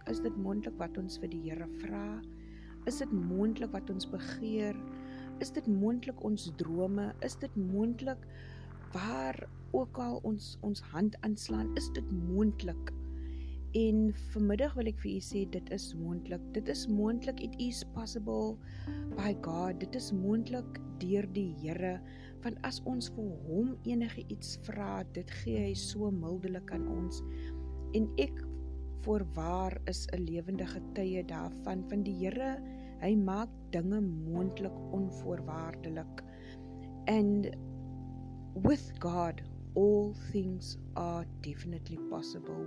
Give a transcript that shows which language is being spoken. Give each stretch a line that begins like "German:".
Afrikaans: Is dit moontlik wat ons vir die Here vra? Is dit moontlik wat ons begeer? Is dit moontlik ons drome? Is dit moontlik waar ook al ons hand aanslaan? Is dit moontlik? En vanmiddag wil ek vir u sê, dit is moontlik. Dit is moontlik.
English: It is possible by God.
Afrikaans: Dit is moontlik deur die Here. Want as ons vir Hom enige iets vra, dit gee Hy so mildelik aan ons. En ek voorwaar is 'n lewende getuie daarvan, van die Here. Hy maak dinge moontlik onvoorwaardelik.
English: And with God, all things are definitely possible.